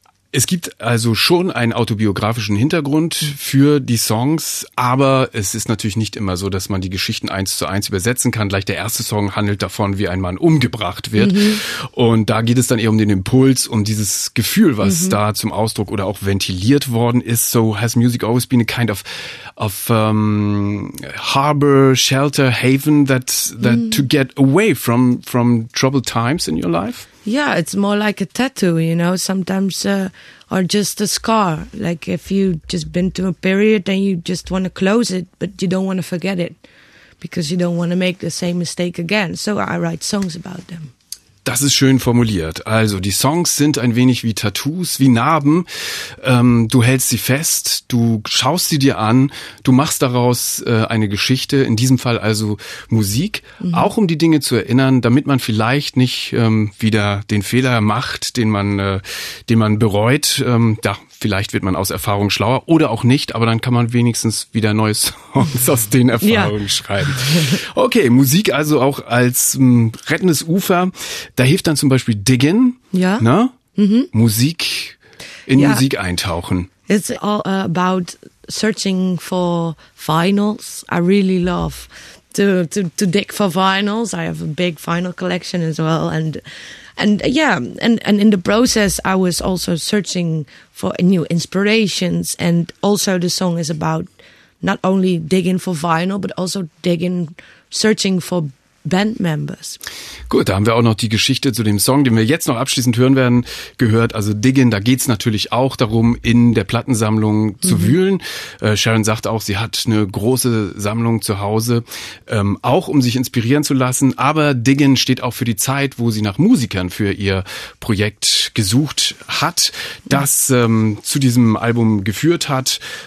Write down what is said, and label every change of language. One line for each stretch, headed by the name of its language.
German: Es gibt also schon einen autobiografischen Hintergrund für die Songs, aber es ist natürlich nicht immer so, dass man die Geschichten eins zu eins übersetzen kann. Gleich der erste Song handelt davon, wie ein Mann umgebracht wird. Mhm. Und da geht es dann eher um den Impuls, um dieses Gefühl, was da zum Ausdruck oder auch ventiliert worden ist.
English: So has music always been a kind of harbor, shelter, haven that to get away from troubled times in your life? Yeah, it's more like a tattoo, you know, sometimes, or just a scar. Like if you've just been to a period and you just want to close it, but you don't want to forget it because you don't want to make the same mistake again. So I write songs about them.
German: Das ist schön formuliert. Also die Songs sind ein wenig wie Tattoos, wie Narben. Du hältst sie fest, du schaust sie dir an, du machst daraus eine Geschichte, in diesem Fall also Musik, auch um die Dinge zu erinnern, damit man vielleicht nicht wieder den Fehler macht, den man bereut. Ja, vielleicht wird man aus Erfahrung schlauer oder auch nicht, aber dann kann man wenigstens wieder neue Songs aus den Erfahrungen schreiben. Okay, Musik also auch als rettendes Ufer. Da hilft dann zum Beispiel Diggin, ne? Musik, in Musik eintauchen.
English: It's all about searching for vinyls. I really love to dig for vinyls. I have a big vinyl collection as well. And in the process, I was also searching for new inspirations. And also the song is about not only digging for vinyl, but also searching for band members.
German: Gut, da haben wir auch noch die Geschichte zu dem Song, den wir jetzt noch abschließend hören werden, gehört. Also Diggin, da geht's natürlich auch darum, in der Plattensammlung zu wühlen. Sharon sagt auch, sie hat eine große Sammlung zu Hause, auch um sich inspirieren zu lassen. Aber Diggin steht auch für die Zeit, wo sie nach Musikern für ihr Projekt gesucht hat, das zu diesem Album geführt hat.